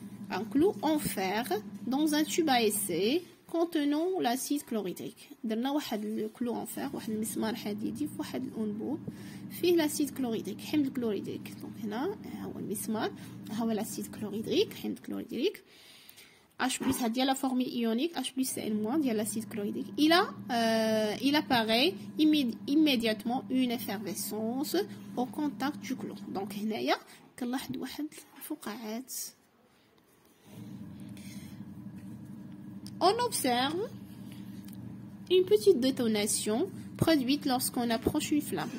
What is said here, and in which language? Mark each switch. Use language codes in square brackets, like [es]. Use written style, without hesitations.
[fr] un clou en fer dans un tube à essai contenant l'acide chlorhydrique. [ar] Dernier, واحد [fr] le clou en fer, [ar] واحد المسمار حديدي في واحد الانبوب فيه [fr] l'acide chlorhydrique, [ar] حمض كلوريديك. Donc هنا هو المسمار هو [fr] l'acide chlorhydrique, [ar] حمض كلوريديك. [fr] H+ هذه la formule ionique H+ Cl- هي l'acide chlorhydrique. Il apparaît immédiatement une effervescence au contact du clou. [ar] Donc هنايا كنلاحظ واحد الفقاعات. [fr] On observe une petite détonation produite lorsqu'on approche une flamme.